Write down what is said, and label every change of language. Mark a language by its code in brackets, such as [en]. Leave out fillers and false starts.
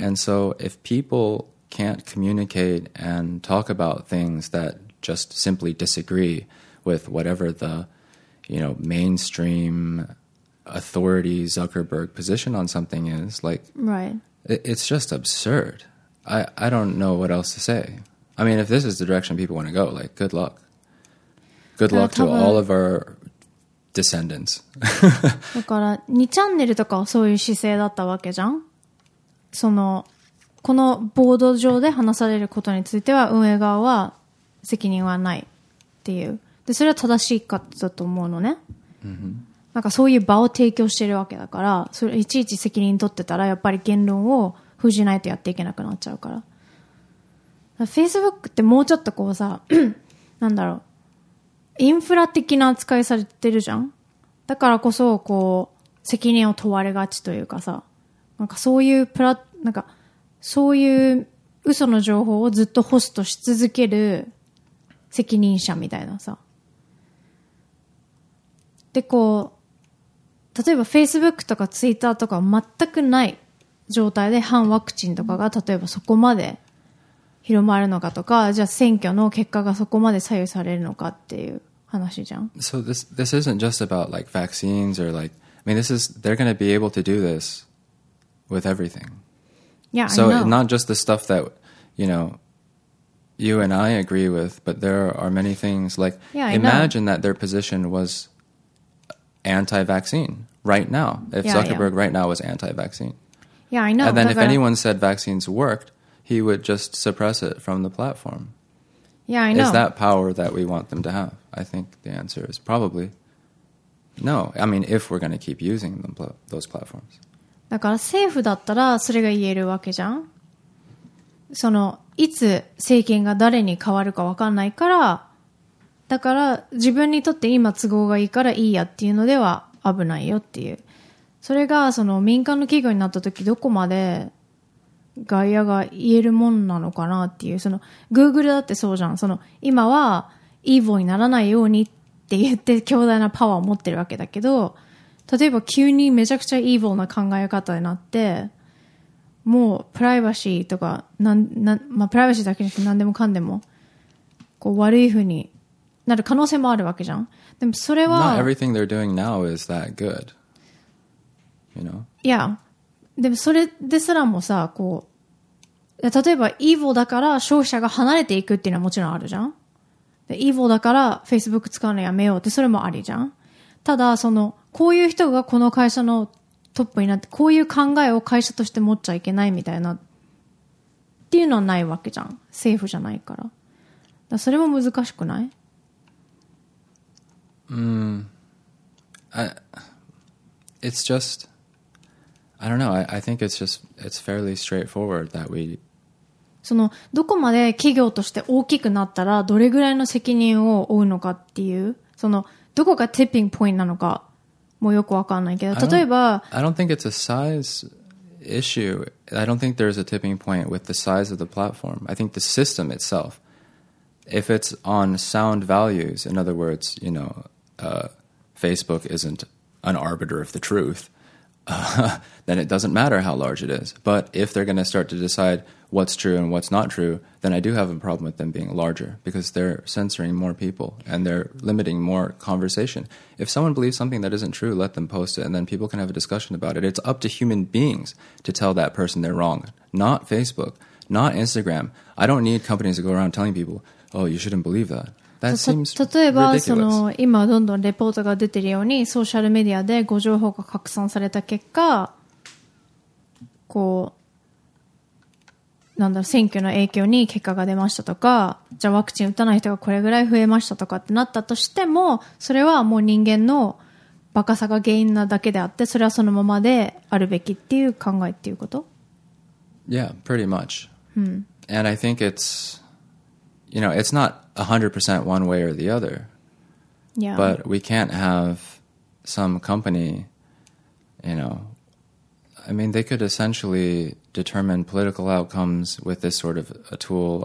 [en] And so if people can't communicate and talk about things that just simply disagree with whatever the, you know, mainstream authority Zuckerberg position on something is, like, right, it's just absurd. I don't know what else to say. I mean, if this is the direction people want to go, like, good luck. Good luck to all of our descendants. [ja] だから2チャンネルとかはそういう姿勢だったわけじゃん。そのこのボード上で話されることについては運営側は責任はないっていう、でそれは正しいかだと思うのね。なんかそういう場を提供してるわけだから、それいちいち責任取ってたらやっぱり言論を封じないとやっていけなくなっちゃうから。 Facebook ってもうちょっとこうさ、なんだろう、インフラ的な扱いされてるじゃん。だからこそこう責任を問われがちというかさ、なんかそういうプラ、なんかそういう嘘の情報をずっとホストし続ける責任者みたいなさ。でこう例えば Facebook とか Twitter とか全くない状態で反ワクチンとかが例えばそこまで広まるのかとか、じゃあ選挙の結果がそこまで左右されるのかっていう話じゃん。 [en] So this isn't just about like vaccines or like, I mean, this is, they're going to be able to do this with everything. Yeah, so I know. So not just the stuff that, you know, you and I agree with, but there are many things like, yeah, imagine that their position wasanti-vaccine right now. If Zuckerberg right now was anti-vaccine. Yeah, I know. And then if anyone said vaccines worked, he would just suppress it from the platform. Yeah, I know. Is that power that we want them to have? I think the answer is probably no. I mean, if we're going to keep using them, those platforms. [ja] だから政府だったらそれが言えるわけじゃん。そのいつ政権が誰に変わるか分かんないから、だから自分にとって今都合がいいからいいやっていうのでは危ないよっていう。それがその民間の企業になった時どこまで外野が言えるもんなのかなっていう。その Google だってそうじゃん。その今はイーボーにならないようにって言って強大なパワーを持ってるわけだけど、例えば急にめちゃくちゃイーボーな考え方になって、もうプライバシーとか、まあ、プライバシーだけじゃなくて何でもかんでもこう悪い風になる可能性もあるわけじゃん。でもそれは [en] Not everything they're doing now is that good. You know? Yeah. [ja] でもそれですらもさ、こう、例えば、イーボーだから消費者が離れていくっていうのはもちろんあるじゃん。で、イーボーだから Facebook 使うのやめようって、それもありじゃん。ただ、その、こういう人がこの会社のトップになって、こういう考えを会社として持っちゃいけないみたいな、っていうのはないわけじゃん。政府じゃないから。だからそれも難しくない？ [en] It's just... I don't know. I think it's just it's fairly straightforward that we. [ja] そのどこまで企業として大きくなったらどれぐらいの責任を負うのかっていう、そのどこがティッピングポイントなのかもよくわかんないけど、例えば。 [en] I don't think it's a size issue. I don't think there's a tipping point with the size of the platform. I think the system itself, if it's on sound values, in other words, you know, Facebook isn't an arbiter of the truth. Then it doesn't matter how large it is. But if they're going to start to decide what's true and what's not true, then I do have a problem with them being larger because they're censoring more people and they're limiting more conversation. If someone believes something that isn't true, let them post it and then people can have a discussion about it. It's up to human beings to tell that person they're wrong, not Facebook, not Instagram. I don't need companies to go around telling people, oh, you shouldn't believe that. [ja] 例えばその今どんどんレポートが出てるようにソーシャルメディアで誤情報が拡散された結果、こうなんだろう、選挙の影響に結果が出ましたとか、じゃあワクチン打たない人がこれぐらい増えましたとかってなったとしても、それはもう人間のバカさが原因なだけであって、それはそのままであるべきっていう考えっていうこと。 [en] Yeah, pretty much、 [ja] うん、 [en] And I think it's you know it's not 100% one way or the other. Yeah. But we can't have some company, you know, I mean, they could essentially determine political outcomes with this sort of a tool.